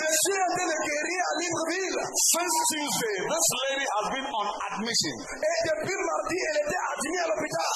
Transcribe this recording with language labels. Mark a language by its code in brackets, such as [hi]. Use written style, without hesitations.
[fr] Je suis en train de guérir à Libreville. [en] Since Tuesday, this lady has been on admission. [fr] Et depuis mardi, elle était admise à l'hôpital.